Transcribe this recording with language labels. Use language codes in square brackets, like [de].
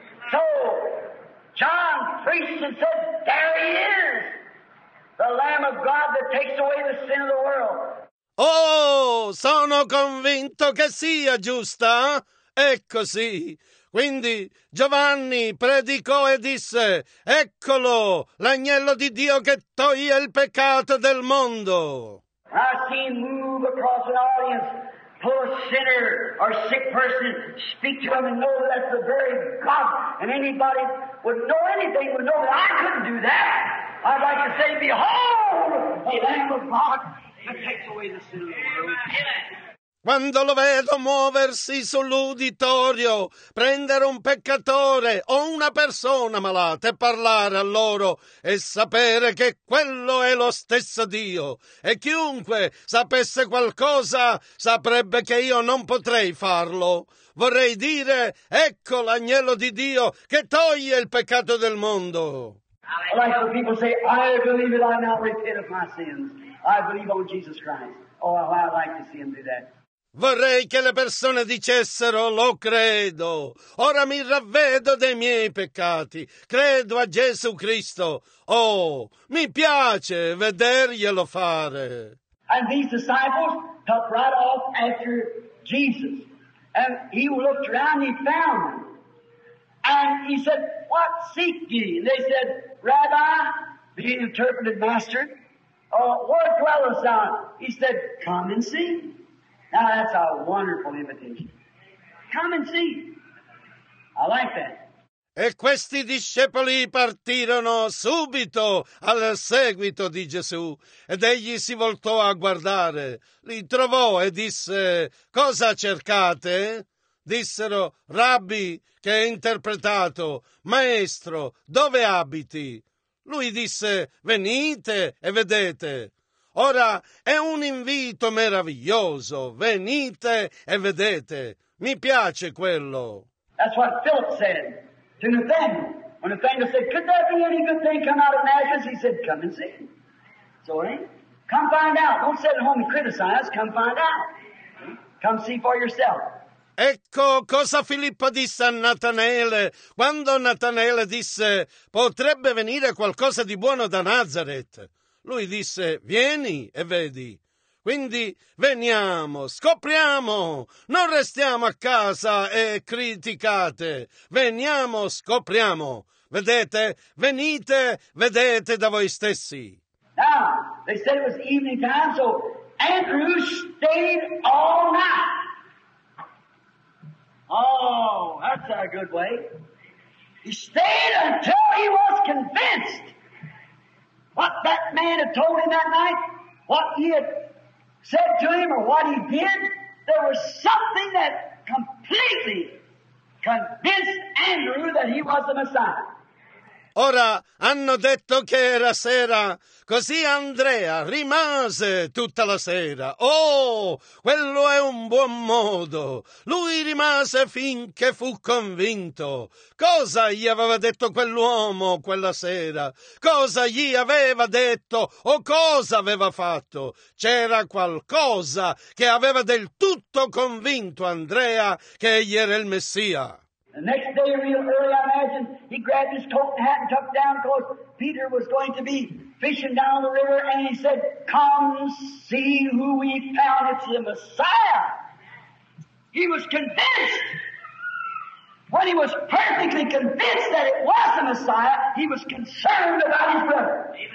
[en] So, John preached and said, there he is, the Lamb of God that takes away the sin of the world. [it] Oh, sono convinto che sia giusta. È così. Quindi Giovanni predicò e disse, eccolo, l'agnello di Dio che toglie il peccato del mondo. [en] I see him move across an audience, pull a sinner or sick person, speak to him and know that that's the very God. And anybody would know anything would know that I couldn't do that. I'd like to say, behold, the Lamb of God that takes away the sin of the world. [it] Quando lo vedo muoversi sull'uditorio, prendere un peccatore o una persona malata e parlare a loro e sapere che quello è lo stesso Dio. E chiunque sapesse qualcosa saprebbe che io non potrei farlo. Vorrei dire, ecco l'agnello di Dio che toglie il peccato del mondo. [en] Like when people say, I believe it, I now repent of my sins. I believe on Jesus Christ. Oh, how I like to see him do that. [it] Vorrei che le persone dicessero, lo credo, ora mi ravvedo dei miei peccati, credo a Gesù Cristo, oh, mi piace vederglielo fare. [en] And these disciples took right off after Jesus, and he looked around, he found them, and he said, what seek ye? And they said, Rabbi, the interpreted master, where dwellest thou? He said, come and see. Now that's a wonderful invitation. Come and see. I like that. [it] E questi discepoli partirono subito al seguito di Gesù. Ed egli si voltò a guardare. Li trovò e disse, cosa cercate? Dissero, Rabbi, che è interpretato, maestro, dove abiti? Lui disse, venite e vedete. Ora è un invito meraviglioso. Venite e vedete. Mi piace quello. [en] That's what Philip said to Nathanael. When Nathanael said, could there be any good thing come out of Nazareth? He said, come and see. So, come find out. Don't sit at home and criticize. Come find out. Come see for yourself. [it] Ecco cosa Filippo disse a Natanaele quando Natanaele disse, potrebbe venire qualcosa di buono da Nazareth. Lui disse, vieni e vedi. Quindi veniamo, scopriamo, non restiamo a casa e criticate. Veniamo, scopriamo. Vedete, venite, vedete da voi stessi. [en] Now, they said it was evening time, so Andrew stayed all night. Oh, that's a good way. He stayed until he was convinced. What that man had told him that night, what he had said to him or what he did, there was something that completely convinced Andrew that he was the Messiah. [it] Ora, hanno detto che era sera, così Andrea rimase tutta la sera. Oh, quello è un buon modo. Lui rimase finché fu convinto. Cosa gli aveva detto quell'uomo quella sera? Cosa gli aveva detto o cosa aveva fatto? C'era qualcosa che aveva del tutto convinto Andrea che egli era il Messia. [en] The next day, real early, I imagine, he grabbed his coat and hat and tucked down because Peter was going to be fishing down the river, and he said, come see who we found. It's the Messiah. He was convinced. When he was perfectly convinced that it was the Messiah, he was concerned about his brother.